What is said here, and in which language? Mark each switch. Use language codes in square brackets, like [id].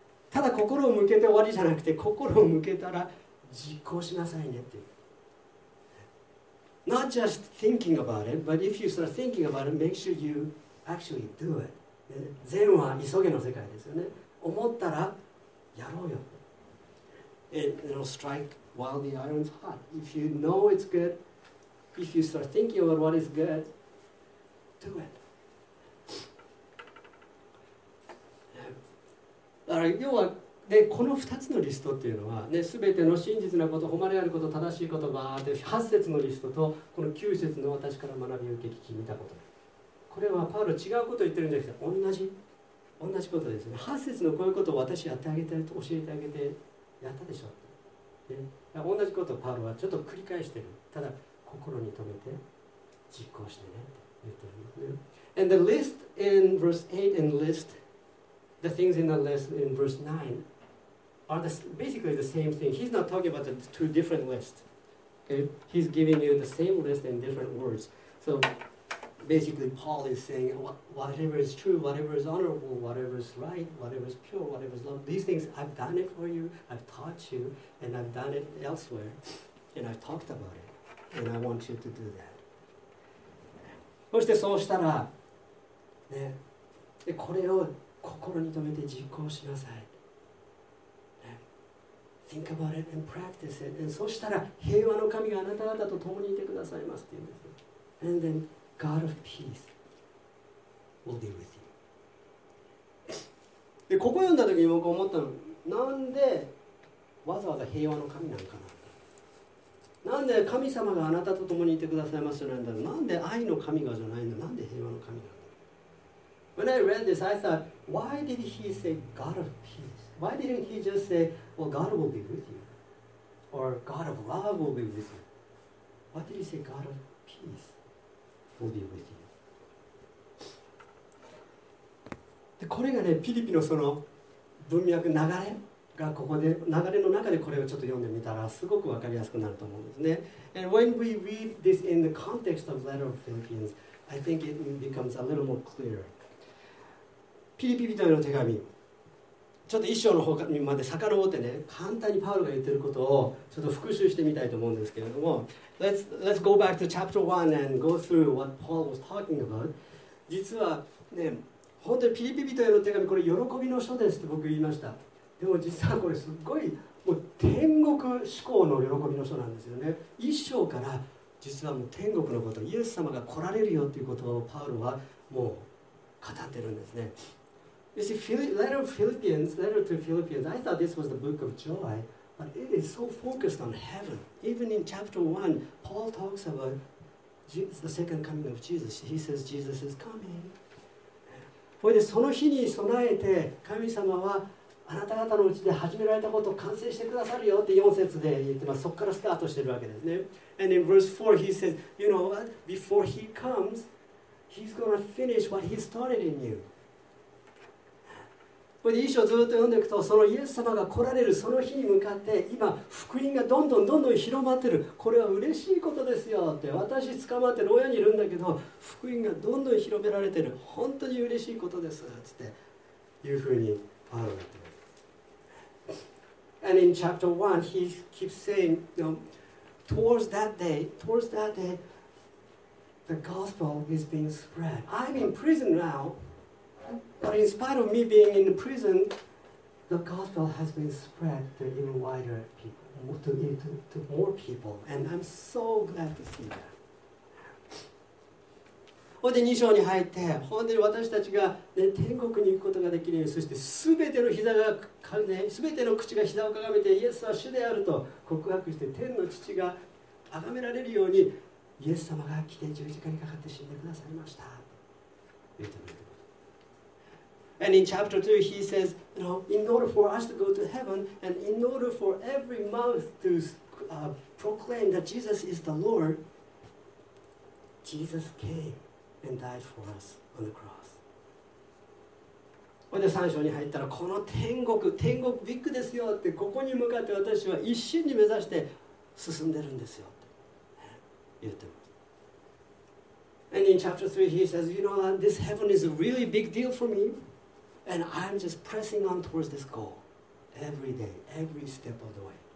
[ja] ただ心を向けて終わりじゃなくて、心を向けたら実行しなさいねっていう。 [en] Not just thinking about it, but if you start thinking about it, make sure you actually do it. [ja] 善は急げの世界ですよね。思ったらやろうよ。 [en] It'll strike while the iron's hot. If you know it's good, if you start thinking about what is good, [ja] だから要は、ね、この2つのリストっていうのは、ね、全ての真実なこと、誉れあること、正しいことばーって8節のリストとこの9節の私から学び受け聞き見たこと、これはパウロ違うこと言ってるんじゃなくて同じことですね。 8節のこういうことを私やってあげて教えてあげてやったでしょ、ね、同じことをパウロはちょっと繰り返してる。ただ心に留めて実行してねって。 [en] And the list in verse 8 and list, the things in the list in verse 9 are basically the same thing. He's not talking about the two different lists. Okay? He's giving you the same list in different words. So basically Paul is saying whatever is true, whatever is honorable, whatever is right, whatever is pure, whatever is love, these things I've done it for you, I've taught you, and I've done it elsewhere, and I've talked about it, and I want you to do that. [ja] そしてそうしたら、ね、でこれを心に留めて実行しなさい、ね、 [en] Think about it and practice it. And [ja] そしたら平和の神があなた方と共にいてくださいますって言うんです。 [en] And then God of peace will be with you. [ja] でここ読んだ時に僕思ったの、なんでわざわざ平和の神なのかな、なんで神様があなたと共にいてくださいますじゃないんだろう、なんで愛の神がじゃないんだ、なんで平和の神なんだ。 [en] When I read this, I thought, why did he say God of peace? Why didn't he just say, well, God will be with you? Or God of love will be with you? Why did he say God of peace will be with you? [ja] でこれがね、ピリピのその文脈、流れがここで流れの中でこれをちょっと読んでみたらすごくわかりやすくなると思うんですね。 [en] And when we read this in the context of letter of Philippians, I think it becomes a little more clear. [ja] ピリピ人への手紙、ちょっと一章の方にまで遡ってね、簡単にパウロが言ってることをちょっと復習してみたいと思うんですけれども、 [en] Let's go back to chapter 1 and go through what Paul was talking about。 [ja] 実はね、本当にピリピ人への手紙、これ喜びの書ですって僕言いました。でも実はこれすっごいもう天国志向の喜びの書なんですよね。一章から実はもう天国のこと、イエス様が来られるよということをパウロはもう語ってるんですね。 [en] You see, letter of Philippians, letter to Philippians, I thought this was the book of joy, but it is so focused on heaven. Even in chapter 1, Paul talks about Jesus, the second coming of Jesus. He says Jesus is coming. [ja] それでその日に備えて神様はあなた方のうちで始められたことを完成してくださるよって4節で言ってます。そこからスタートしてるわけですね。 [en] And in verse 4, he says, you know what? Before he comes,He's going to finish what he started in you. [ja] これで一章ずっと読んでいくと、そのイエス様が来られるその日に向かって、今福音がどんどんどんどん広まってる。これは嬉しいことですよって。私捕まって牢屋にいるんだけど、福音がどんどん広められてる。本当に嬉しいことですっていうふうにパウロが言ってます。 [en] And in chapter 1, he keeps saying, you know, towards that day,The gospel is being spread. I'm in prison now, but in spite of me being in prison, the gospel has been spread to even wider people, to more people, and I'm so glad to see that. [ja] ほんで2章に入って、ほんで私たちが、ね、天国に行くことができるように、そしてすべての膝が、ね、すべての口が膝をかがめて、イエスは主であると告白して、天の父が崇められるように、イエス様が来て十字架にかかって死んでくださいました。 [en] And in chapter 2, he says, you know, in order for us to go to heaven, and in order for every mouth to proclaim that Jesus is the Lord, Jesus came and died for us on the cross. [ja] で3章に入ったら、この天国、天国ビッグですよって、ここに向かって私は一心に目指して進んでるんですよ。 [en] And in chapter 3, he says, you know, this heaven is a really big deal for me, and I'm just pressing on towards this goal every day, every step of the way.